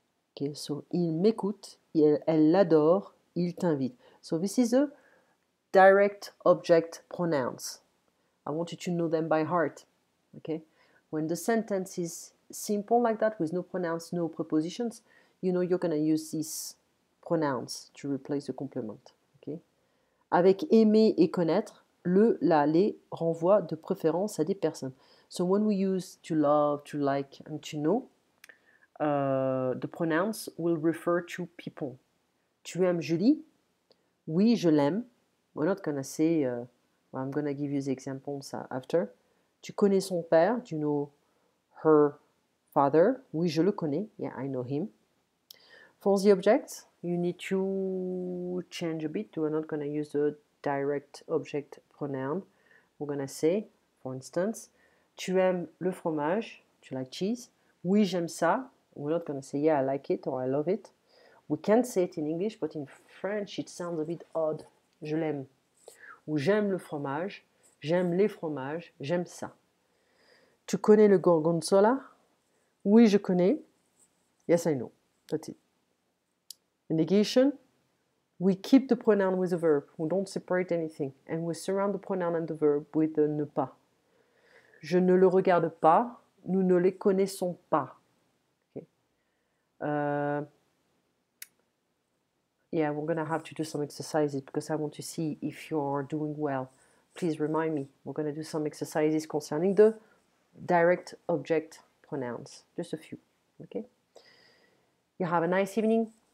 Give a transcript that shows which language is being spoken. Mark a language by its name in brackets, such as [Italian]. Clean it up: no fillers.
[French] Okay, so il m'écoute, elle l'adore, il t'invite. [English] So this is a direct object pronouns. I want you to know them by heart. Okay, when the sentence is simple like that, with no pronouns, no prepositions, you know you're going to use these pronouns to replace the complement. [French] Okay, avec aimer et connaître, le, la, les renvoie de préférence à des personnes. [English] So when we use to love, to like, and to know, the pronouns will refer to people. [French] Tu aimes Julie? Oui, je l'aime. [English] We're not going to say, I'm going to give you the examples after. [French] Tu connais son père? [English] Do you know her father? [French] Oui, je le connais. [English] Yeah, I know him. For the objects, you need to change a bit. We're not going to use the direct object pronoun. We're going to say, for instance, [French] tu aimes le fromage, [English] tu like cheese. [French] Oui, j'aime ça. [English] We're not going to say, yeah, I like it or I love it. We can't say it in English, but in French, it sounds a bit odd. [French] Je l'aime. Ou j'aime le fromage, j'aime les fromages, j'aime ça. Tu connais le gorgonzola? Oui, je connais. [English] Yes, I know. That's it. In negation, we keep the pronoun with the verb. We don't separate anything. And we surround the pronoun and the verb with the ne pas. [French] Je ne le regarde pas, nous ne les connaissons pas. [English] Okay. Yeah, we're going to have to do some exercises because I want to see if you are doing well. Please remind me. We're going to do some exercises concerning the direct object pronouns. Just a few. Okay. You have a nice evening.